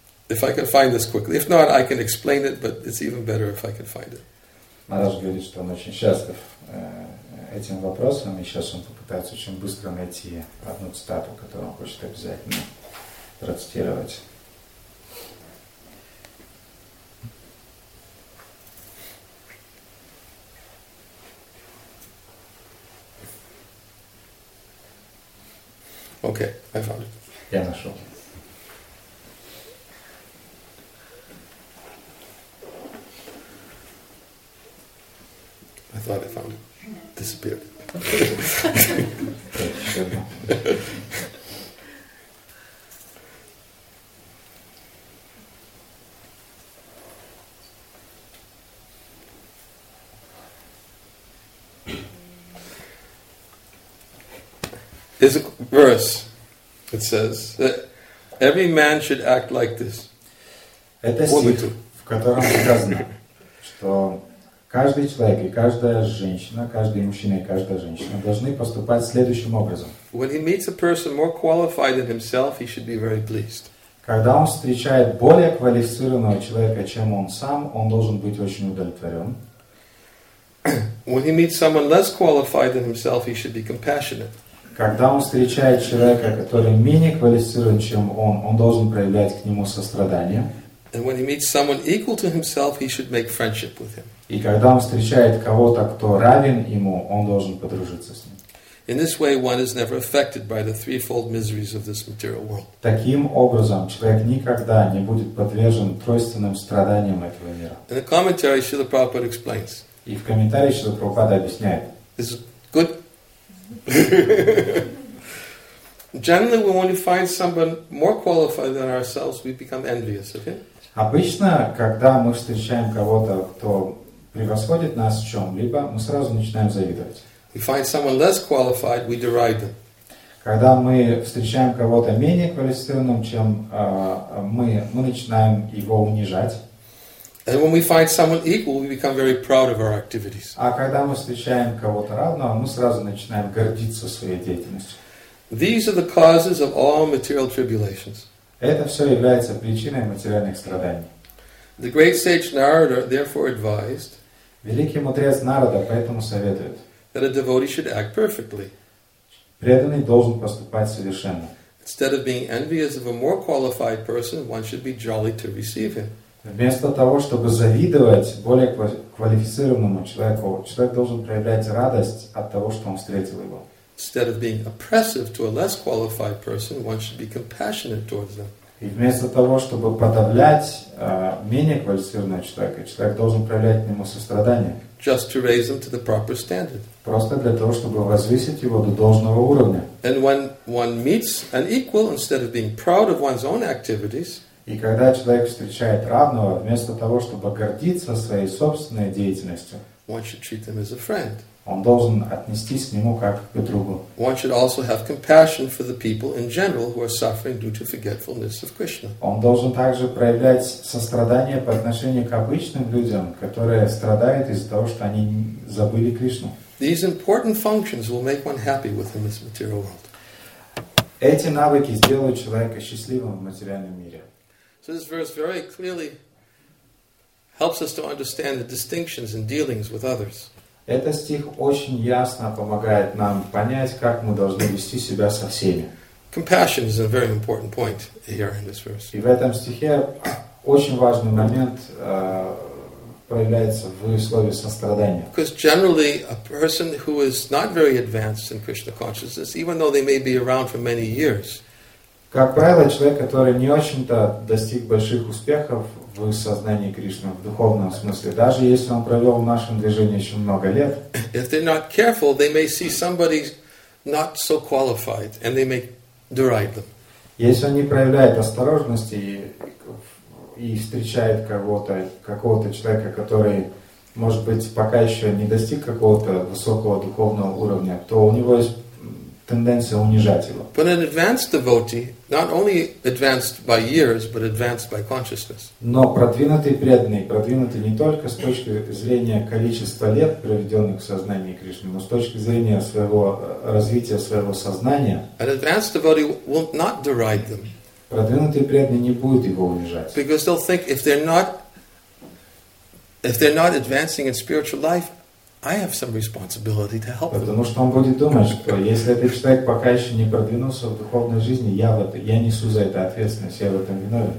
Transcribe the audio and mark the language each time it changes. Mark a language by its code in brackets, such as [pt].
[en] If I can find this quickly. If not, I can explain it, but it's even better if I can find it. [ru] Maharaj говорит, что он очень счастлив этим вопросом, и сейчас он попытается очень быстро найти одну цитату, которую он хочет обязательно процитировать. [en] Okay, I found it. [ru] Я нашел. [en] I thought I found it. Disappeared. There's a verse that says that every man should act like this. [ru] Это стих, в котором сказано, что каждый человек и каждая женщина, каждый мужчина и каждая женщина должны поступать следующим образом. [en] When he meets a person more qualified than himself, he should be very pleased. [ru] Когда он встречает более квалифицированного человека, чем он сам, он должен быть очень удовлетворен. [en] When he meets someone less qualified than himself, he should be compassionate. [ru] Когда он встречает человека, который менее квалифицирован, чем он должен проявлять к нему сострадание. [en] And when he meets someone equal to himself, he should make friendship with him. [ru] И когда он встречает кого-то, кто равен ему, он должен подружиться с ним. [en] In this way, one is never affected by the threefold miseries of this material world. [ru] Таким образом, человек никогда не будет подвержен тройственным страданиям этого мира. [en] In the commentary, Srila Prabhupada explains. [ru] И в комментарии Шрила Прабхупада объясняет. [en] Is good. Generally, when we find someone more qualified than ourselves, we become envious of him. [ru] Обычно, когда мы встречаем кого-то, кто превосходит нас в чем-либо, мы сразу начинаем завидовать. [en] We find someone less qualified, we deride them. [ru] Когда мы встречаем кого-то менее квалифицированным, чем мы начинаем его унижать. [en] And when we find someone equal, we become very proud of our activities. [ru] А когда мы встречаем кого-то равного, мы сразу начинаем гордиться своей деятельностью. [en] These are the causes of all material tribulations. [ru] Это все является причиной материальных страданий. [en] The great sage Narada therefore advised. [ru] Великий мудрец Нарада поэтому советует. [en] That a devotee should act perfectly. [ru] Преданный должен поступать совершенно. [en] Instead of being envious of a more qualified person, one should be jolly to receive him. [ru] Вместо того, чтобы завидовать более квалифицированному человеку, человек должен проявлять радость от того, что он встретил его. [en] Instead of being oppressive to a less qualified person, one should be compassionate towards them. [ru] И вместо того, чтобы подавлять менее квалифицированного человека, человек должен проявлять к нему сострадание. [en] Just to raise him to the proper standard. [ru] Просто для того, чтобы возвысить его до должного уровня. [en] And when one meets an equal, instead of being proud of one's own activities. [ru] И когда человек встречает равного, вместо того, чтобы гордиться своей собственной деятельностью. [en] One should treat them as a friend. [ru] Он должен отнестись к нему как к другу. [en] One should also have compassion for the people in general who are suffering due to forgetfulness of Krishna. [ru] Он должен также проявлять сострадание по отношению к обычным людям, которые страдают из-за того, что они забыли Кришну. [en] These important functions will make one happy within this material world. [ru] Эти навыки сделают человека счастливым в материальном мире. [en] So this verse very clearly helps us to understand the distinctions in dealings with others. [ru] Этот стих очень ясно помогает нам понять, как мы должны вести себя со всеми. [en] Compassion is a very important point here in this verse. [ru] И в этом стихе очень важный момент появляется в слове сострадание. [en] Because generally a person who is not very advanced in Krishna consciousness, even though they may be around for many years. [ru] Как правило, человек, который не очень-то достиг больших успехов в сознании Кришны, в духовном смысле. Даже если он провел в нашем движении еще много лет. [en] If they're not careful, they may see somebody not so qualified, and they may deride them. [ru] Если он не проявляет осторожности и встречает какого-то человека, который, может быть, пока еще не достиг какого-то высокого духовного уровня, то у него есть тенденция унижать его. [en] But an advanced devotee, not only advanced by years, but advanced by consciousness. [ru] Но продвинутый преданный, продвинутый не только с точки зрения количества лет, проведенных в сознании Кришны, но с точки зрения своего развития своего сознания. [en] An advanced devotee will not deride them. [ru] Продвинутый преданный не будет его унижать. [en] Because they'll think if they're not advancing in spiritual life, I have some responsibility to help. [ru] Потому что он будет думать, что если этот человек пока еще не продвинулся в духовной жизни, я несу за это ответственность, я в этом виновен.